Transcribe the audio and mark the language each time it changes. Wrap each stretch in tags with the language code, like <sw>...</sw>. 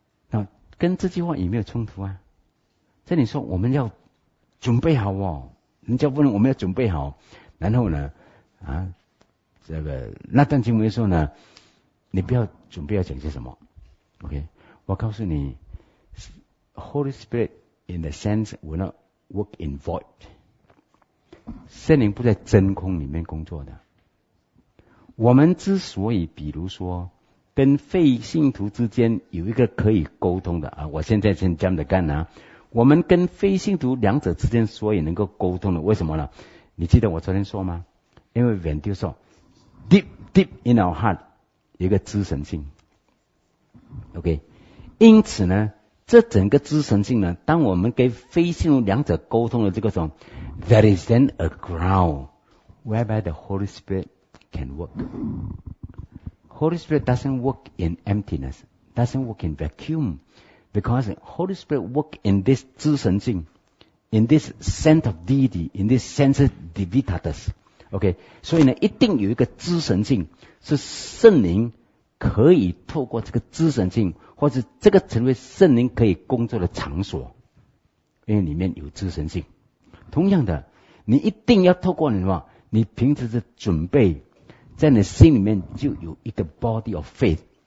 <zh>那跟这句话有没有冲突啊？这里说我们要准备好哦，人家问我们要准备好，然后呢，啊，这个那段经文说呢，你不要准备要讲些什么 ，OK？我告诉你 ，Holy Spirit。</zh> <en>In the sense, will not work in void.</en> <zh>圣灵不在真空里面工作的。我们之所以，比如说，跟非信徒之间有一个可以沟通的啊，我现在先这样的干啊。我们跟非信徒两者之间所以能够沟通的，为什么呢？你记得我昨天说吗？因为人就说 ，</zh> <en>deep in our heart</en> <zh>有一个知神性。 OK， 因此呢。这整个知神性呢，当我们跟非信徒两者沟通的这个时候 ，</zh> <en>there is then a ground whereby the Holy Spirit can work. Holy Spirit doesn't work in emptiness, doesn't work in vacuum, because Holy Spirit work in this 知神性 in this sense of deity, in this sense of divinitas.</en> <zh>OK， 所以呢，一定有一个知神性是圣灵。可以透过这个知神性，或是这个成为圣灵可以工作的场所，因为里面有知神性。同样的，你一定要透过你什么？你平时的准备，在你心里面就有一个 body of faith。</zh>